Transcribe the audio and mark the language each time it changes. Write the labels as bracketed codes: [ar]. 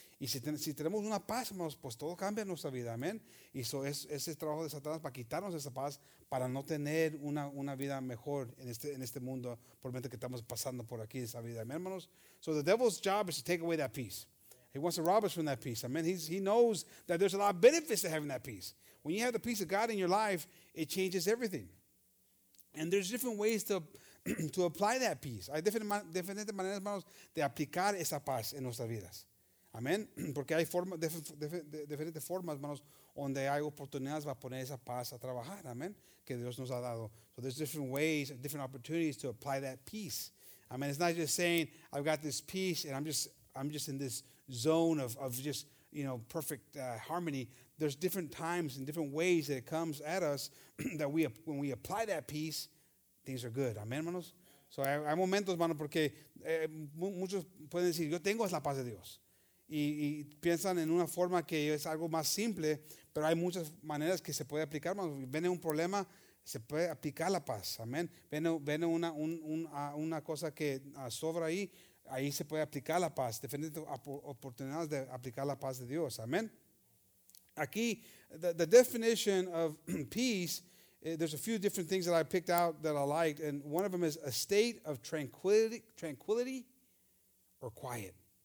[es] Y si tenemos una paz, pues todo cambia en nuestra vida, amén. Y eso es el trabajo de Satanás para quitarnos esa paz, para no tener una vida mejor en este mundo, por medio que estamos pasando por aquí en esa vida, amén, hermanos. [en] So the devil's job is to take away that peace. He wants to rob us from that peace, [es] amén. [en] He knows that there's a lot of benefits to having that peace. When you have the peace of God in your life, it changes everything. And there's different ways to apply that peace. [es] Hay diferentes maneras, hermanos, de aplicar esa paz en nuestras vidas. Amén, porque hay diferentes formas, hermanos, donde hay oportunidades para poner esa paz a trabajar, amén, que Dios nos ha dado. [en] So there's different ways, different opportunities to apply that peace. I mean, it's not just saying, I've got this peace and I'm just in this zone of just, you know, perfect harmony. There's different times and different ways that it comes at us that when we apply that peace, things are good. [es] Amén, hermanos. [en] So [es] hay momentos, hermanos, porque muchos pueden decir, yo tengo la paz de Dios. Y piensan en una forma que es algo más simple, pero hay muchas maneras que se puede aplicar. Viene un problema, se puede aplicar la paz, amén. Viene una cosa que sobra ahí se puede aplicar la paz. Diferentes oportunidades de aplicar la paz de Dios, amén. Aquí, [en] the definition of peace, there's a few different things that I picked out that I liked, and one of them is a state of tranquility or quiet.